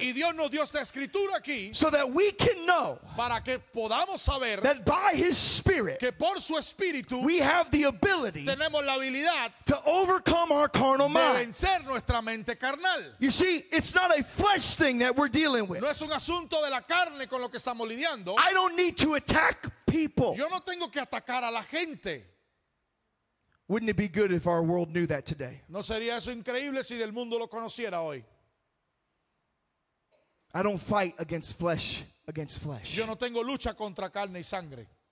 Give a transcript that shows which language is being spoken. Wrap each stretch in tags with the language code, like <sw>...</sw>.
<es>Y Dios nos dio esta escritura aquí.</es> <en>So that we can know.</en> <es>Para que podamos saber.</es> <en>That by his spirit.</en> <es>Que por su espíritu.</es> <en>We have the ability.</en> <es>Tenemos la habilidad.</es> <en>To overcome our carnal mind.</en> <es>De vencer nuestra mente carnal.</es> <en>You see, it's not a flesh thing that we're dealing with.</en> <es>No es un asunto de la carne con lo que estamos lidiando.</es> <en>I don't need to attack people.</en> <es>Yo no tengo que atacar a la gente.</es> <en>Wouldn't it be good if our world knew that today?</en> <es>No sería eso increíble si el mundo lo conociera hoy.</es> <en>I don't fight against flesh, against flesh.</en> <es>Yo no tengo lucha contra carne y sangre.</es>